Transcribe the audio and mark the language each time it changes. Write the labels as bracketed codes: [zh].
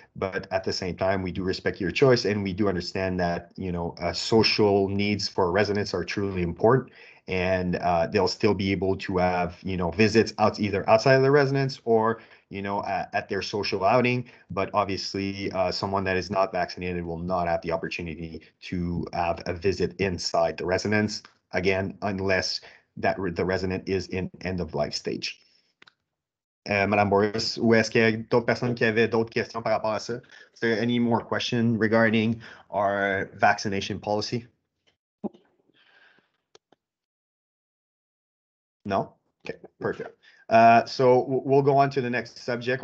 [en] But at the same time, we do respect your choice, and we do understand that, you know, social needs for residents are truly important, and they'll still be able to have, you know, visits out either outside of the residence or, you know, at their social outing. But obviously, someone that is not vaccinated will not have the opportunity to have a visit inside the residence. Again, unless that the resident is in end of life stage. [fr] Madame Boris, ou est-ce qu'il y a d'autres personnes qui avaient d'autres questions par rapport à ça? [en] Is there any more question regarding our vaccination policy? No? Okay, perfect. So we'll go on to the next subject.